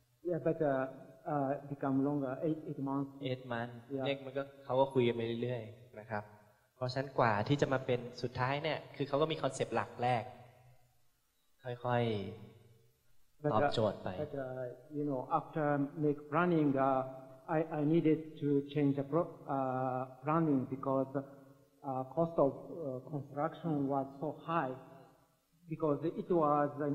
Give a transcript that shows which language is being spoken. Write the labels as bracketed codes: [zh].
[en] Yeah, but become longer, eight months. Eight months. Yeah. [th] เขาก็คุยกันไปเรื่อยๆนะครับราะฉะนั้นกว่าที่จะมาเป็นสุดท้ายเนี่ยคือเขาก็มีคอนเซปต์หลักแรกค่อยๆตอบโจทย์ไป [en] you know after make planning I needed to change the planning becauseCost of construction was so high because it was